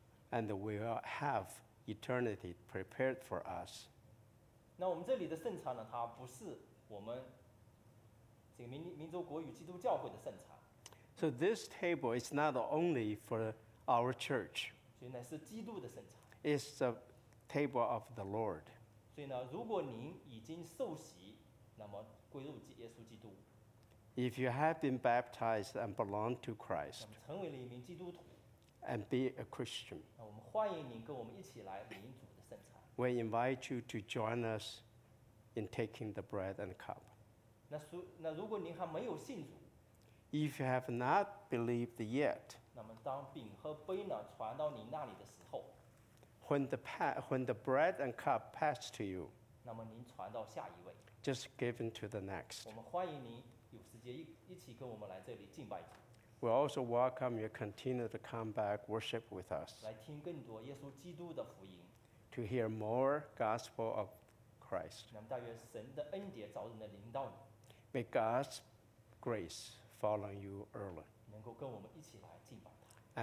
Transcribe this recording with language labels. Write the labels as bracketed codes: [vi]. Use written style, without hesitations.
[en] And we will have eternity prepared for us. [zh] 那我们这里的圣餐呢，它不是我们这个民族国语基督教会的圣餐。 [en] So this table is not only for our church. [zh] 所以乃是基督的圣餐。 [en] It's the table of the Lord. [zh] 所以呢，如果您已经受洗，那么归入耶稣基督。 [en] If you have been baptized and belong to Christ, [zh] 那么成为了一名基督徒。 [en] And be a Christian. [zh] 那我们欢迎您跟我们一起来领主的圣餐。 [en] We invite you to join us in taking the bread and the cup. [zh] 那如果您还没有信主。 [en] If you have not believed yet, [zh] 那么当饼和杯呢传到您那里的时候。 [en] When the bread and cup pass to you, [zh] 那么您传到下一位, [en] just give it to the next. [zh] 我们欢迎您有时间一起跟我们来这里敬拜主。 [en] We also welcome you continue to come back worship with us. [zh] 来听更多耶稣基督的福音。 [en] To hear more gospel of Christ. [zh] 那么但愿神的恩典早日的临到你。 [en] May God's grace fall on you early. [zh] 能够跟我们一起来敬拜他。